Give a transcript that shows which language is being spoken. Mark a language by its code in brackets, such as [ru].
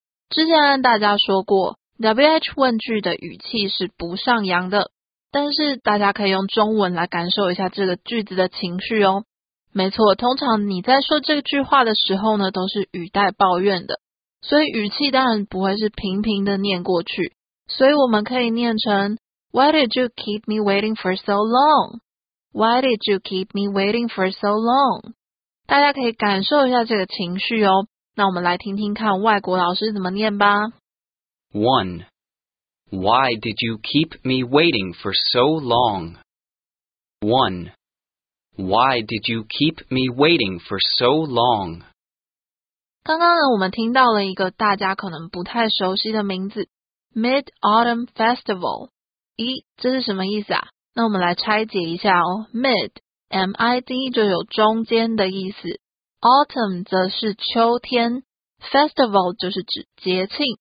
[zh] 之前跟大家说过 WH 问句的语气是不上扬的，但是大家可以用中文来感受一下这个句子的情绪哦。没错，通常你在说这句话的时候呢，都是语带抱怨的，所以语气当然不会是平平的念过去，所以我们可以念成 [en] Why did you keep me waiting for so long? Why did you keep me waiting for so long? [zh] 大家可以感受一下这个情绪哦。那我们来听听看外国老师怎么念吧。 [en] 1. Why did you keep me waiting for so long? 1. Why did you keep me waiting for so long? [zh] 刚刚呢，我们听到了一个大家可能不太熟悉的名字 Mid-Autumn Festival。咦，这是什么意思啊？那我们来拆解一下哦。 Mid 就有中间的意思， Autumn 则是秋天， Festival 就是指节庆。